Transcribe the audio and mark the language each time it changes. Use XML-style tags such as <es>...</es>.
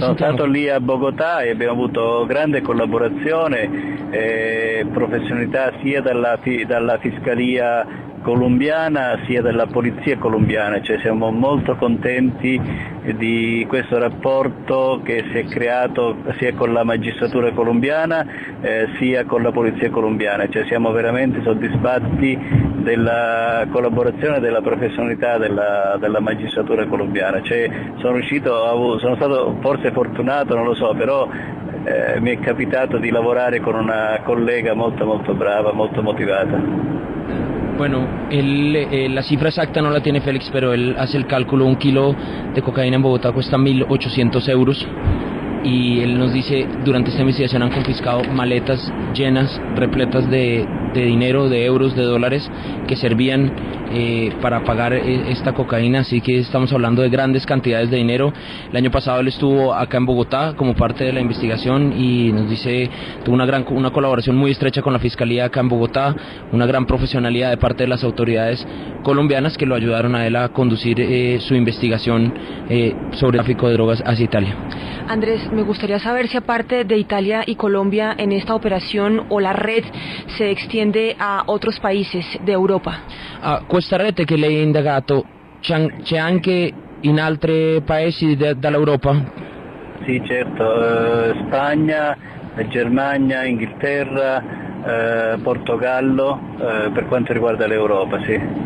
<it>Sono stato lì a Bogotà e abbiamo avuto grande collaborazione e professionalità sia dalla fiscalia colombiana sia dalla polizia colombiana, cioè siamo molto contenti di questo rapporto che si è creato sia con la magistratura colombiana sia con la polizia colombiana, cioè siamo veramente soddisfatti della collaborazione, della professionalità della magistratura colombiana. Cioè sono stato forse fortunato, non lo so, però mi è capitato di lavorare con una collega molto molto brava, molto motivata.</it> <es>Bueno, la cifra exacta no la tiene Félix, pero él hace el cálculo, un kilo de cocaína en Bogotá cuesta 1.800 euros y él nos dice, durante esta investigación han confiscado maletas llenas, repletas de dinero, de euros, de dólares, que servían para pagar esta cocaína, así que estamos hablando de grandes cantidades de dinero. El año pasado él estuvo acá en Bogotá como parte de la investigación y nos dice tuvo una colaboración muy estrecha con la fiscalía acá en Bogotá, una gran profesionalidad de parte de las autoridades colombianas que lo ayudaron a él a conducir su investigación sobre el tráfico de drogas hacia Italia. Andrés, me gustaría saber si aparte de Italia y Colombia en esta operación o la red se extiende a otros países de Europa. Questa rete che lei ha indagato c'è anche in altri paesi dall'Europa? Sì, certo, Spagna, Germania, Inghilterra, Portogallo, per quanto riguarda l'Europa, sì.</es>